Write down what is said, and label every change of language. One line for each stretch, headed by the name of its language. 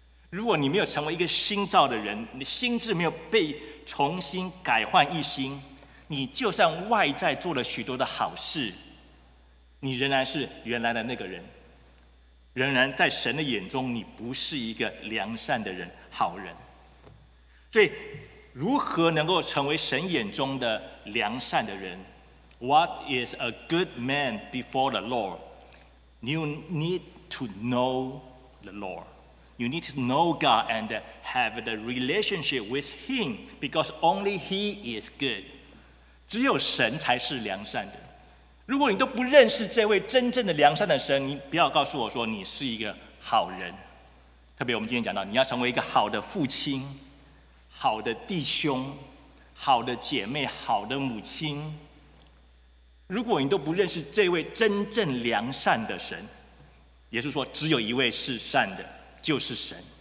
Chinese: 如果你没有成为一个新造的人，你心智没有被重新改换一新，你就算外在做了许多的好事，你仍然是原来的那个人，仍然在神的眼中你不是一个良善的人，好人。所以如何能够成为神眼中的良善的人？
English: What is a good man before the Lord? You need to know the Lord. You need to know God and have the relationship with Him, because only He is good.
Chinese: 只有神才是良善的。如果你都不认识这位真正的良善的神，你不要告诉我说你是一个好人。特别我们今天讲到，你要成为一个好的父亲、好的弟兄、好的姐妹、好的母亲，如果你都不认识这位真正良善的神，耶稣说只有一位是善的，就是神。